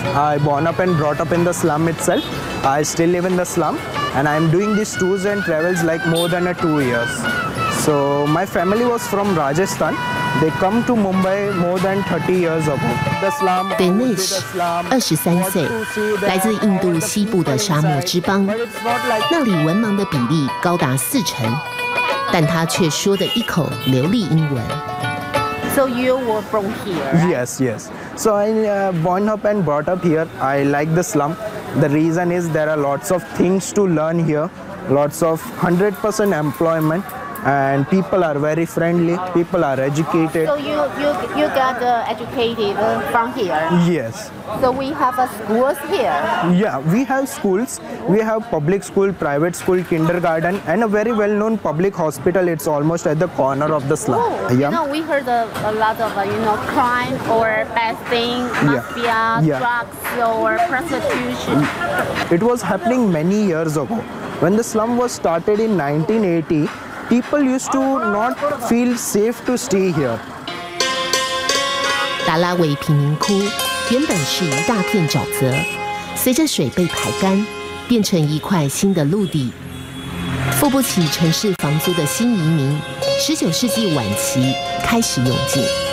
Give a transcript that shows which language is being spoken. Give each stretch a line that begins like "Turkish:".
English: I born up and brought up in the slum itself. I still live in the slum, and I am doing these tours and travels like more than 2 years. So my family was from Rajasthan. They come to Mumbai more than 30 years ago. The slum.
Chinese: Dinesh, 23岁，来自印度西部的沙漠之邦，那里文盲的比例高达40%，但他却说的一口流利英文。
English: So you were from here? Right? Yes, yes. So I born up and brought up here. I like the slum. The reason is there are lots of things to learn here. Lots of 100% employment, and people are very friendly. People are educated. So you got educated from here? Yes. So we have schools here? Yeah, we have schools. We have public school, private school, kindergarten, and a very well-known public hospital. It's almost at the corner of the slum. Oh, yeah. You know, we heard a lot of, you know, crime or bad things, mafia, drugs or prostitution. It was happening many years ago. When the slum was started in 1980, people used to not feel safe to stay here.
Chinese: 达拉维贫民窟原本是一大片沼泽，随着水被排干，变成一块新的陆地。付不起城市房租的新移民，19世纪晚期开始涌进。